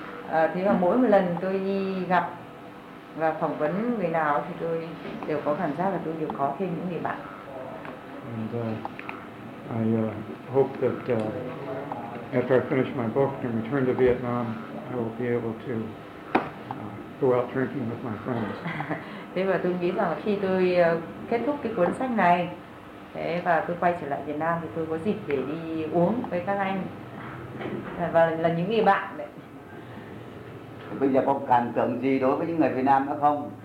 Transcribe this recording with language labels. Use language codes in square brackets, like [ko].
[vi] Thế mà mỗi một lần tôi đi gặp và phỏng vấn người nào thì tôi đều có cảm giác là tôi đều có thêm những người bạn. [en] And I hope that after I finish my book and return to Vietnam, I will be able to go out drinking with my friends. [vi] Thế và tôi nghĩ rằng khi tôi kết thúc cái cuốn sách này, thế và tôi quay trở lại Việt Nam thì tôi có dịp để đi uống với các anh và là những người bạn đấy. Bây giờ có cảm tưởng gì đối với những người Việt Nam nữa không?